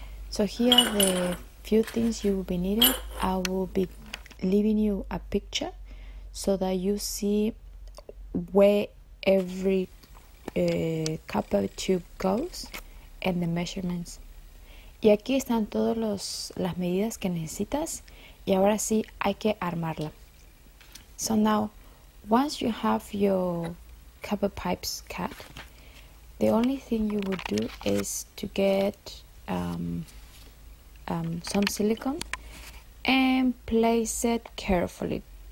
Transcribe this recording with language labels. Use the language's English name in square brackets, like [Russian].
[English] So here are the few things you will be needed. I will be leaving you a picture so that you see where every copper tube goes and the measurements. [Spanish] Y aquí están todas las medidas que necesitas y ahora sí hay que armarla. [English] So now, once you have your copper pipes cut, the only thing you would do is to get some silicone and place it carefully.